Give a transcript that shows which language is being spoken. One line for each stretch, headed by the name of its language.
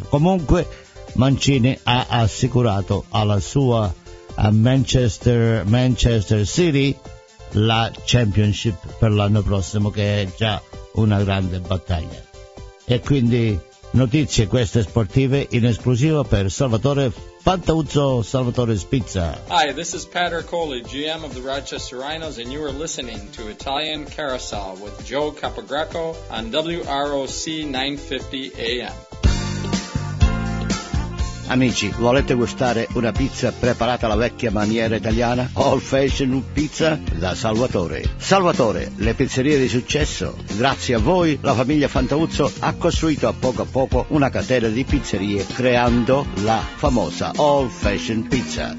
Italian: Comunque Mancini ha assicurato alla sua Manchester City la championship per l'anno prossimo, che è già una grande battaglia. E quindi notizie queste sportive in esclusiva per Salvatore Fantauzzo, Salvatore Spizza.
English: Hi, this is Pat Ercole, GM of the Rochester Rhinos, and you are listening to Italian Carousel with Joe Capogreco on WROC 950 AM.
Italian: Amici, volete gustare una pizza preparata alla vecchia maniera italiana? Old Fashioned Pizza da Salvatore. Salvatore, le pizzerie di successo. Grazie a voi, la famiglia Fantauzzo ha costruito a poco una catena di pizzerie, creando la famosa Old Fashioned Pizza.